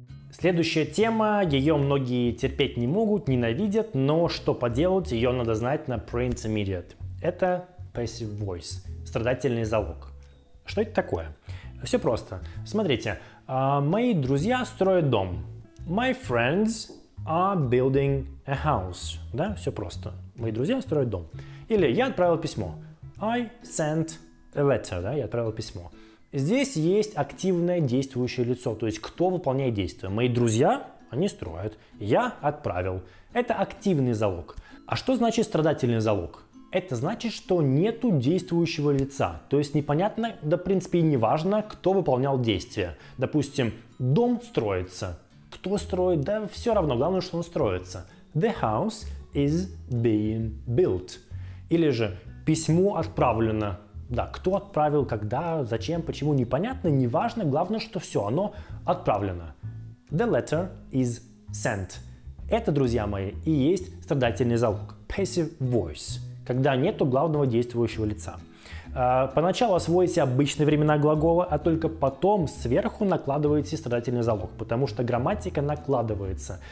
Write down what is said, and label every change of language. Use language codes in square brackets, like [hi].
[ru] Следующая тема, ее многие терпеть не могут, ненавидят, но что поделать, ее надо знать на pre-intermediate. Это passive voice, страдательный залог. Что это такое? Все просто. Смотрите, мои друзья строят дом. [en] My friends are building a house. [ru] Да, все просто. Мои друзья строят дом. Или я отправил письмо. [en] I sent a letter, [ru] да, я отправил письмо. Здесь есть активное действующее лицо, то есть кто выполняет действие. Мои друзья, они строят, я отправил. Это активный залог. А что значит страдательный залог? Это значит, что нету действующего лица, то есть непонятно, да в принципе и не важно, кто выполнял действие. Допустим, дом строится. Кто строит? Да все равно, главное, что он строится. [en] The house is being built. [ru] Или же письмо отправлено. Да, кто отправил, когда, зачем, почему, непонятно, неважно, главное, что все, оно отправлено. [en] The letter is sent. [ru] Это, друзья мои, и есть страдательный залог. [en] Passive voice. [ru] Когда нету главного действующего лица. Поначалу освоите обычные времена глагола, а только потом сверху накладываете страдательный залог, потому что грамматика накладывается.